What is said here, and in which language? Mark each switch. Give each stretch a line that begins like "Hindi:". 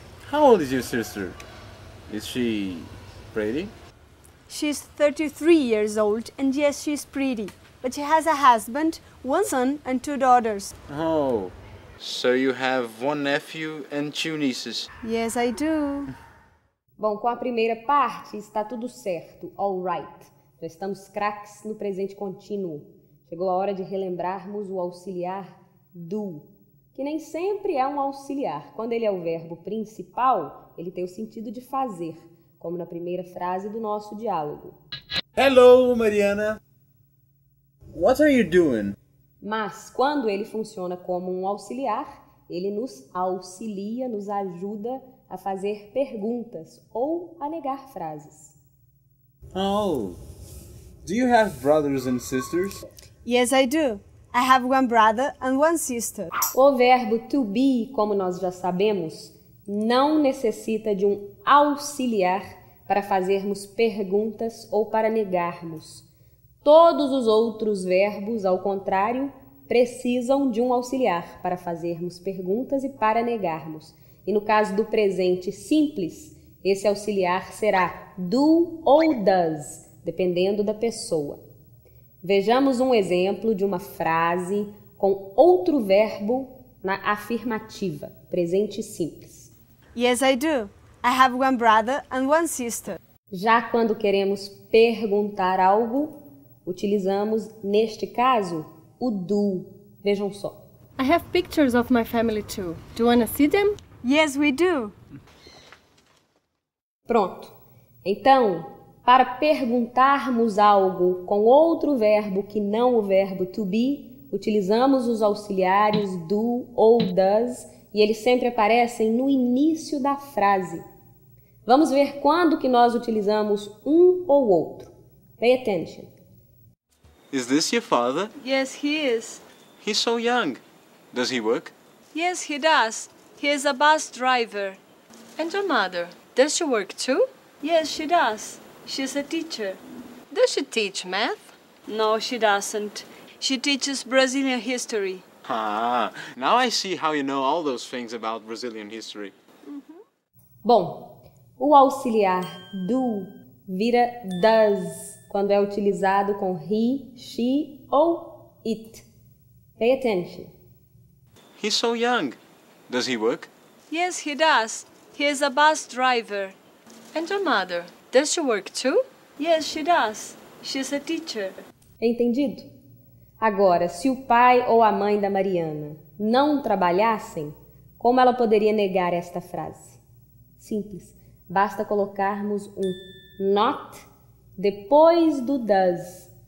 English: How old is your sister? Is she pretty? She's 33 years old, and yes, she's pretty. But she has a husband, one son, and two daughters. Oh, so you have one nephew and two nieces. Yes, I do.
Portuguese: Bom, com a primeira parte, está tudo certo.
English: All right.
Portuguese: Já estamos craques no presente contínuo. Chegou a hora de relembrarmos o auxiliar do, que nem sempre é um auxiliar. Quando ele é o verbo principal, ele tem o sentido de fazer, como na primeira frase do nosso diálogo.
English: Hello, Mariana. What are you doing?
Portuguese: Mas, quando ele funciona como um auxiliar, ele nos auxilia, nos ajuda a fazer perguntas ou a negar frases.
English: Oh, do you have brothers and sisters? Yes, I do. I have one brother and one sister.
Portuguese: O verbo to be, como nós já sabemos, não necessita de um auxiliar para fazermos perguntas ou para negarmos. Todos os outros verbos, ao contrário, precisam de um auxiliar para fazermos perguntas e para negarmos. E no caso do presente simples, esse auxiliar será do ou does, dependendo da pessoa. Vejamos um exemplo de uma frase com outro verbo na afirmativa, presente simples.
English: Yes, I do. I have one brother and one sister.
Portuguese: Já quando queremos perguntar algo, utilizamos, neste caso, o do. Vejam só.
English: I have pictures of my family too. Do you want to see them? Yes, we do.
Portuguese: Pronto. Então, para perguntarmos algo com outro verbo que não o verbo to be, utilizamos os auxiliares do ou does e eles sempre aparecem no início da frase. Vamos ver quando que nós utilizamos um ou outro.
English: Pay attention. Is this your father? Yes, he is. He's so young. Does he work? Yes, he does. He is a bus driver. And your mother, does she work too? Yes, she does. She's a teacher. Does she teach math? No, she doesn't. She teaches Brazilian history. Ah, now I see how you know all those things about Brazilian history. Mm-hmm.
Portuguese: Bom, o auxiliar do vira does quando é utilizado com he, she ou it.
English: Pay attention. He's so young. Does he work? Yes, he does. He is a bus driver. And your mother, does she work too? Yes, she does. She's a teacher.
Portuguese: Entendido? Agora, se o pai ou a mãe da Mariana não trabalhassem, como ela poderia negar esta frase? Simples. Basta colocarmos um not depois do does.